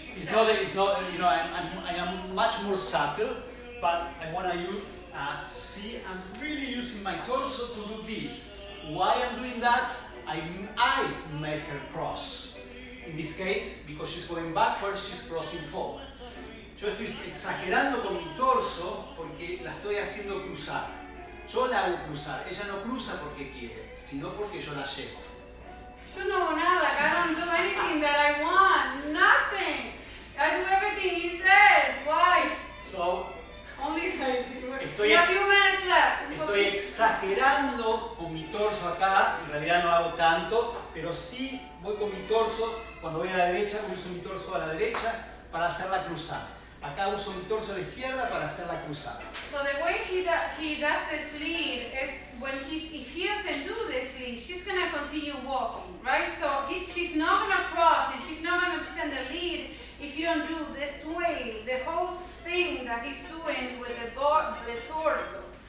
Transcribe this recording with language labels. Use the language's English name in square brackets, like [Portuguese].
[English] I am much more subtle, but I want you to see I'm really using my torso to do this. Why I'm doing that? I make her cross. In this case, because she's going backwards, she's crossing forward. [Spanish] Yo estoy exagerando con mi torso porque la estoy haciendo cruzar. Yo la hago cruzar. Ella no cruza porque quiere, sino porque yo la llevo. Yo no hago nada. [English] I don't do anything that I want. Nothing. I do everything he says. Why? So, only five minutes left. [Spanish] Estoy exagerando con mi torso acá. En realidad no hago tanto, pero sí voy con mi torso. Cuando voy a la derecha, uso mi torso a la derecha para hacer la cruzada. Acá uso mi torso a la izquierda para hacer la cruzada. [English] So the way he does this lead is when if he doesn't do this lead, she's gonna continue walking, right? So she's not gonna cross and she's not gonna extend the lead if you don't do this way, the whole thing that he's doing with the torso.